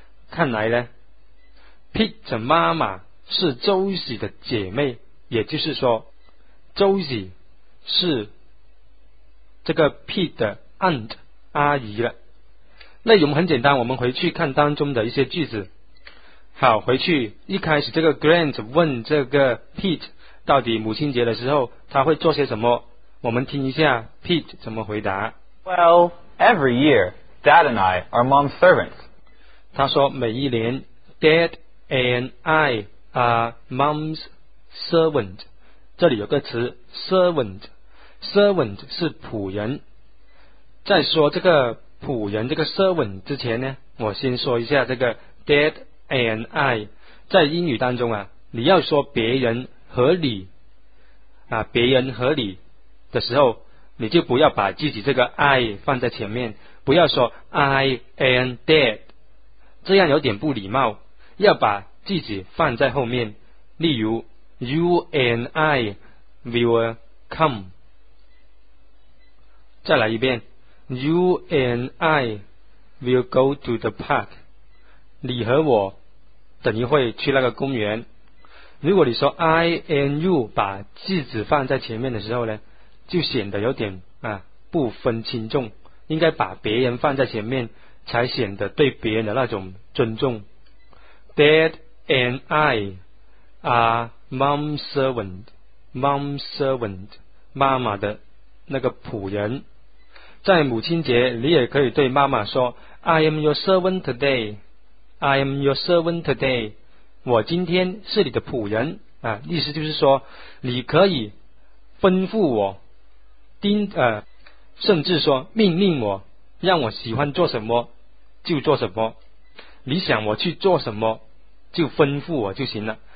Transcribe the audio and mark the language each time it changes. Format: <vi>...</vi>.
<zh>看来呢， Pete 的妈妈是周喜的姐妹，也就是说周喜是这个 Pete 的 aunt 阿姨了。内容很简单，我们回去看当中的一些句子。好，回去一开始这个 Grant 问这个 Pete 到底母亲节的时候他会做些什么，我们听一下 Pete 怎么回答。</zh> <en>Well, every year Dad and I are mom's servants.</en> <zh>他说每一年</zh> <en>Dad and IMom's servant，</en> <zh>这里有个词 servant 是仆人。在说这个仆人这个 servant 之前呢，我先说一下这个</zh> <en>dad and I。</en> <zh>在英语当中你要说别人和你别人和你的时候，你就不要把自己这个 I 放在前面，不要说</zh> <en>I and dad，</en> <zh>这样有点不礼貌，要把自己放在后面。例如</zh> <en>You and I will come，</en> <zh>再来一遍</zh> <en>You and I We'll go to the park.</en> <zh>你和我等一会去那个公园。如果你说</zh> <en>I and you</en> <zh>把句子放在前面的时候呢，就显得有点啊不分轻重，应该把别人放在前面才显得对别人的那种尊重。</zh> <en>Dad and I are mom's servant.</en> <zh>Mom's servant， 妈妈的那个仆人。在母亲节，你也可以对妈妈说 ：</zh> <en>“I am your servant today. I am your servant today。”</en> <zh>我今天是你的仆人啊，意思就是说，你可以吩咐我，甚至说命令我，让我喜欢做什么就做什么，你想我去做什么就吩咐我就行了。</zh>